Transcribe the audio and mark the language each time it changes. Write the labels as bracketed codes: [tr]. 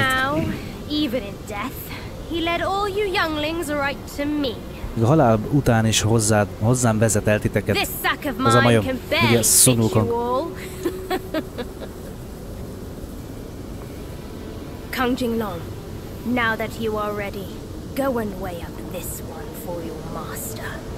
[en] Now, even in death, he led all you younglings right to me. [hu] A halál után is hozzám vezetelt titeket. [en] This sack of mine can bear you all. Kang Jinglong, now that you are ready, go and weigh up this one for your master.